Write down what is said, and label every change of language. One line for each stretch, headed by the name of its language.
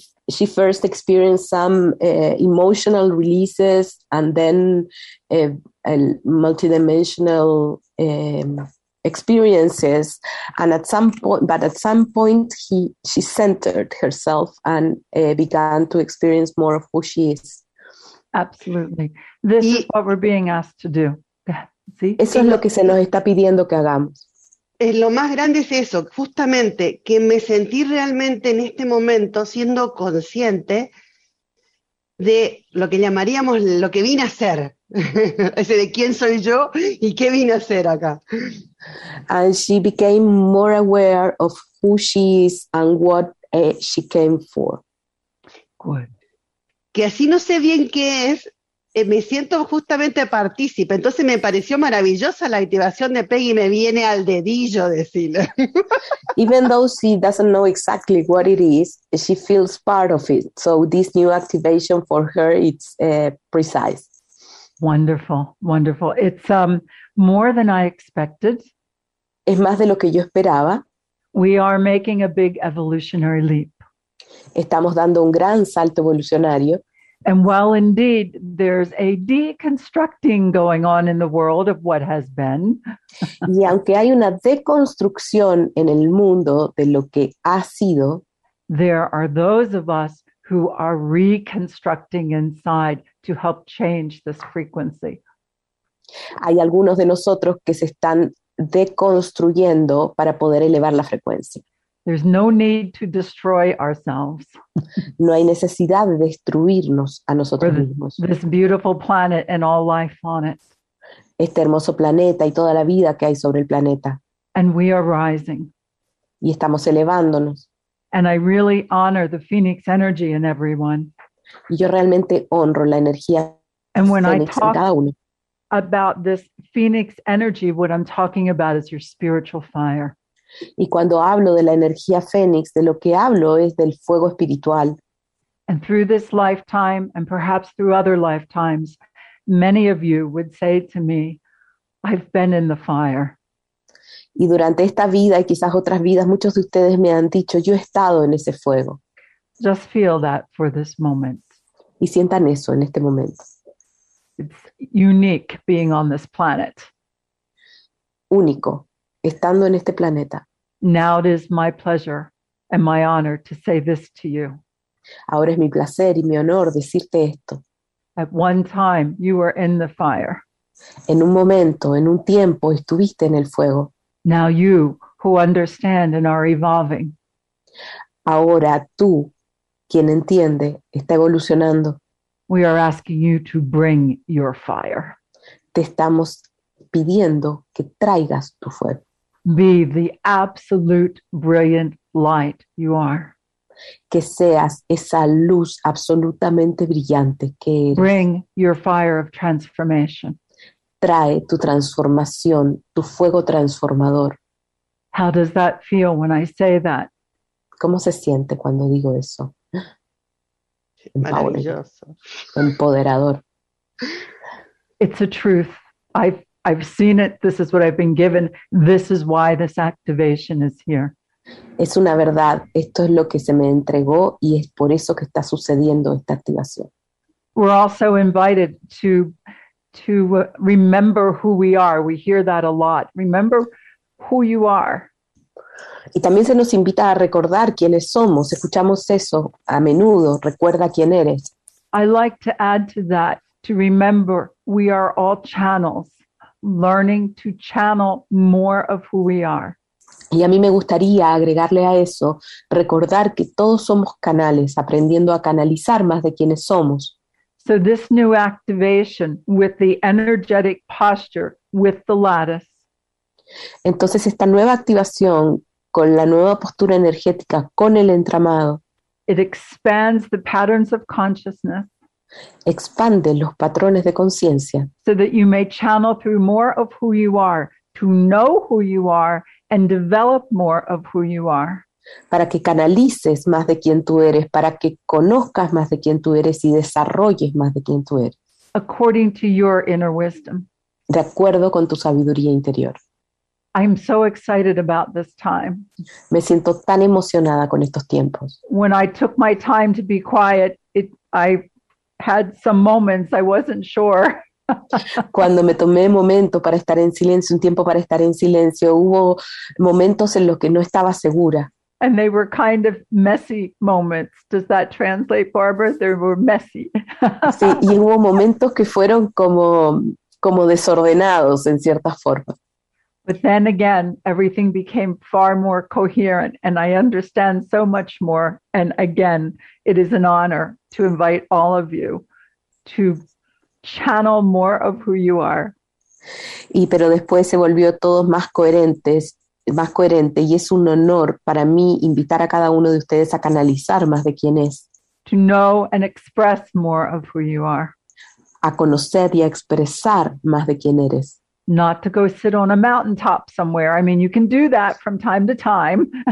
English: She first experienced some emotional releases and then a multidimensional experiences. And at some point, she centered herself and began to experience more of who she is. Absolutely. This is what we're being asked to do.
Spanish: ¿Sí? Eso es lo que se nos está pidiendo que hagamos. Lo más grande es eso, justamente que me sentí realmente en este momento siendo consciente de lo que llamaríamos lo que vine a ser, ese de quién soy yo y qué vine a ser acá.
English: And she became more aware of who she is and what she came for. Good.
Spanish: Que así no sé bien qué es, me siento justamente partícipe, entonces me pareció maravillosa la activación de Peggy, me viene al dedillo decirle.
English: Even though she doesn't know exactly what it is, she feels part of it, so this new activation for her, it's precise. Wonderful, wonderful. It's more than I expected.
Spanish: Es más de lo que yo esperaba.
English: We are making a big evolutionary leap.
Spanish: Estamos dando un gran salto evolucionario.
English: And while indeed there's a deconstructing going on in the world of what has been.
Spanish: Y aunque hay una deconstrucción en el mundo de lo que ha sido,
English: there are those of us who are reconstructing inside to help change this frequency.
Spanish: Hay algunos de nosotros que se están deconstruyendo para poder elevar la frecuencia.
English: There's no need to destroy ourselves.
Spanish: No hay necesidad de destruirnos a nosotros mismos.
English: This beautiful planet and all life on it.
Spanish: Este hermoso planeta y toda la vida que hay sobre el planeta.
English: And we are rising.
Spanish: Y estamos elevándonos.
English: And I really honor the Phoenix energy in everyone.
Spanish: Y yo realmente honro la energía Phoenix en cada uno.
English: And when I talk about this Phoenix energy, what I'm talking about is your spiritual fire.
Spanish: Y cuando hablo de la energía fénix, de lo que hablo es del fuego espiritual.
English: And through this lifetime, and perhaps through other lifetimes, many of you would say to me, I've been in the fire.
Spanish: Y durante esta vida y quizás otras vidas, muchos de ustedes me han dicho, yo he estado en ese fuego.
English: Just feel that for this moment.
Spanish: Y sientan eso en este momento.
English: It's unique being on this planet.
Spanish: Único, estando en este planeta.
English: Now it is my pleasure and my honor to say this to you.
Spanish: Ahora es mi placer y mi honor decirte esto.
English: At one time you were in the fire.
Spanish: En un momento, en un tiempo, estuviste en el fuego.
English: Now you who understand and are evolving.
Spanish: Ahora tú, quien entiende, está evolucionando.
English: We are asking you to bring your fire.
Spanish: Te estamos pidiendo que traigas tu fuego.
English: Be the absolute brilliant light you are.
Spanish: Que seas esa luz absolutamente brillante que eres.
English: Bring your fire of transformation.
Spanish: Trae tu transformación, tu fuego transformador.
English: How does that feel when I say that?
Spanish: ¿Cómo se siente cuando digo eso? Maravilloso. Empoderador.
English: It's a truth. I've seen it. This is what I've been given. This is why this activation is here.
Spanish: Es una verdad. Esto es lo que se me entregó y es por eso que está sucediendo esta activación.
English: We're also invited to remember who we are. We hear that a lot. Remember who you are.
Spanish: Y también se nos invita a recordar quiénes somos. Escuchamos eso a menudo. Recuerda quién eres.
English: I like to add to that, to remember we are all channels, learning to channel more of who we are.
Spanish: Y a mí me gustaría agregarle a eso, recordar que todos somos canales, aprendiendo a canalizar más de quiénes somos.
English: So this new activation with the energetic posture with the lattice.
Spanish: Entonces esta nueva activación con la nueva postura energética con el entramado.
English: It expands the patterns of consciousness.
Spanish: Expande los patrones de conciencia.
English: So that you may channel through more of who you are, to know who you are and develop more of who you are.
Spanish: Para que canalices más de quien tú eres, para que conozcas más de quien tú eres y desarrolles más de quien tú eres.
English: According to your inner wisdom.
Spanish: De acuerdo con tu sabiduría interior.
English: I'm so excited about this time.
Spanish: Me siento tan emocionada con estos tiempos.
English: When I took my time to be quiet, I had some moments I wasn't sure.
Spanish: Cuando me tomé un momento para estar en silencio, un tiempo para estar en silencio, hubo momentos en los que no estaba segura.
English: And they were kind of messy moments. Does that translate, Barbara? They were messy.
Spanish: Sí, y hubo momentos que fueron como desordenados en cierta forma.
English: But then again, everything became far more coherent and I understand so much more. And again, it is an honor to invite all of you to channel more of who you are.
Spanish: Y pero después se volvió todo más coherente y es un honor para mí invitar a cada uno de ustedes a canalizar más de quién es.
English: To know and express more of who you are.
Spanish: A conocer y a expresar más de quién eres.
English: Not to go sit on a mountaintop somewhere. I mean, you can do that from time to time.